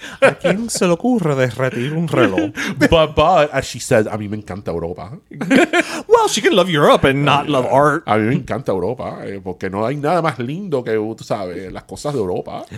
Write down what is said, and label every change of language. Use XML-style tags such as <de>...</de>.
<es>¿A quién se le ocurre derretir un reloj?</es> <en>But, as she said,</en> <es>a mí me encanta Europa.</es> <en>Well, she can love Europe and not love art.</en> <es>A mí me encanta Europa, porque no hay nada más lindo que, tú sabes, las cosas de Europa.</es>